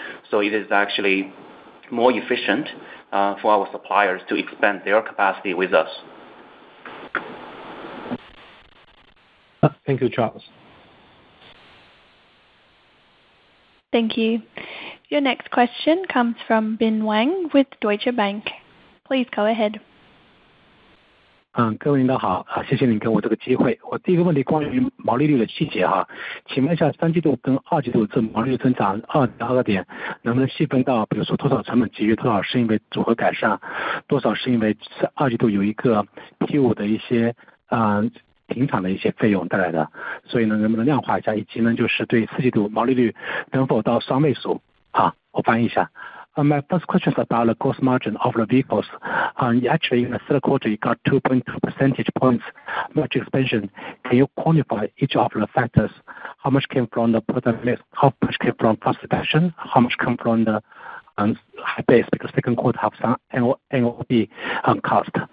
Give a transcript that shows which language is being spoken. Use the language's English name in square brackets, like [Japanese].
[English] So it is actually more efficient for our suppliers to expand their capacity with us. Thank you, Charles. Thank you. Your next question comes from Bin Wang with Deutsche Bank. Please go ahead. [Chinese] 各位领导好，谢谢您给我这个机会。我第一个问题关于毛利率的细节哈，请问一下三季度跟二季度这毛利率增长2.2%，能不能细分到，比如说多少成本节约，多少是因为组合改善，多少是因为二季度有一个 P5 的一些平常的一些费用带来的，所以呢，能不能量化一下，以及呢，就是对四季度毛利率能否到双位数？好，我翻译一下。 [English] My first question is about the gross margin of the vehicles. Actually, in the third quarter, you got 2.2 percentage points much expansion. Can you quantify each of the factors? How much came from the product mix? How much came from cost reduction? How much came from the high base because second quarter have some NOP cost.